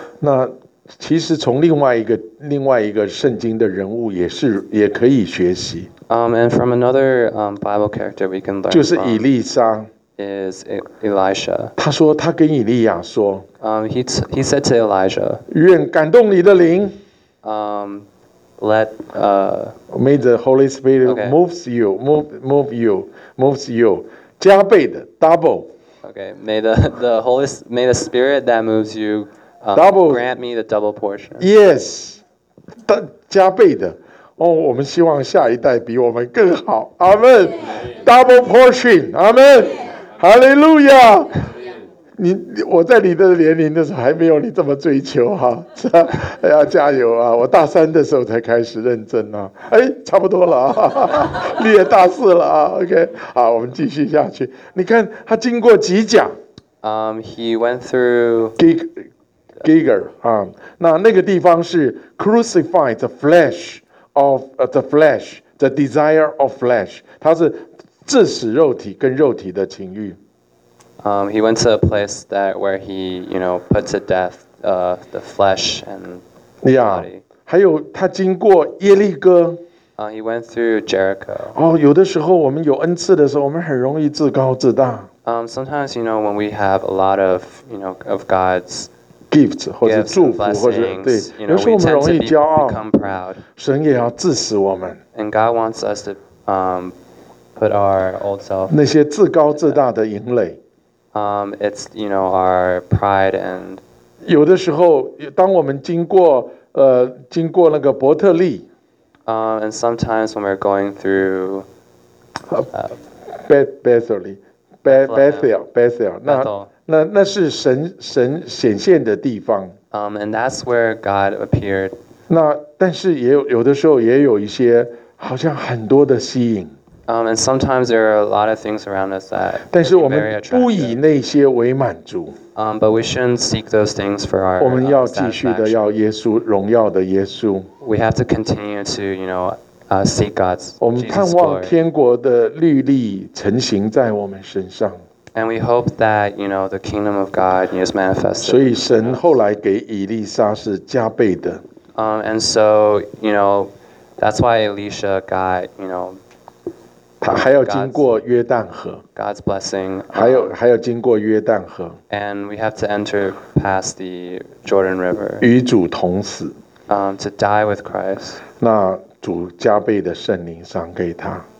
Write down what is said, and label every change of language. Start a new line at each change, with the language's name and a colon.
Chinese: 那其实从另外一个圣经的人物也可以学习。
English: And from another Bible character we can learn.
Chinese: 就是以利沙。
English: Is Elisha.
Chinese: 他说他跟以利亚说。
English: He said to Elijah.
Chinese: 愿感动你的灵。
English: Let May the Holy Spirit okay. moves you,
Chinese: 加倍的
English: double. Okay, may the spirit that moves you double, grant me the double portion.
Chinese: Yes, 加倍的哦， oh, 我们希望下一代比我们更好。阿门，
English: double portion.
Chinese: 阿门， Hallelujah. 你我在你的年龄的时候还没有你这么追求哈，要加油啊！我大三的时候才开始认真啊，哎，差不多了啊，你也大四了啊。 OK， 好，我们继续下去。你看他经过几甲，
English: he went through
Chinese: Giger 啊，那个地方是
English: crucify the flesh of the flesh, the desire of flesh，
Chinese: 他是致死肉体跟肉体的情欲。
English: He went to a place that where he, you know, put to death the flesh and the body.
Chinese: Yeah, 还有他经过耶利哥。
English: He went through Jericho.
Chinese: 哦，有的时候我们有恩赐的时候，我们很容易自高自大。
English: Sometimes you know when we have a lot of, you know, of God's gifts
Chinese: 或者祝福或者对，有时候我们容易骄傲。
English: Become proud.
Chinese: 神也要致死我们。
English: And God wants us to put our old self.
Chinese: 那些自高自大的营垒。
English: It's you know our pride and.
Chinese: 有的时候，当我们经过那个伯特利。
English: And sometimes when we're going through.
Chinese: Bethel. 那是神显现的地方。
English: And that's where God appeared.
Chinese: 那但是也有的时候也有一些好像很多的吸引。
English: And sometimes there are a lot of things around us that are very attractive.
Chinese: 但是我们不以那些为满足。
English: But we shouldn't seek those things for our
Chinese: 我们要继续的要耶稣，荣耀的耶稣。
English: We have to continue to, you know, seek God's Jesus glory.
Chinese: 我们盼望天国的律例成形在我们身上。
English: And we hope that, you know, the kingdom of God is manifested.
Chinese: 所以神后来给以利沙是加倍的。
English: And so, you know, that's why Elisha got, you know,
Chinese: 他还要经过约旦河。
English: God's blessing.
Chinese: 还要经过约旦河。
English: And we have to enter past the Jordan River.
Chinese: 与主同死。
English: To die with Christ.
Chinese: 那主加倍的圣灵赏给他。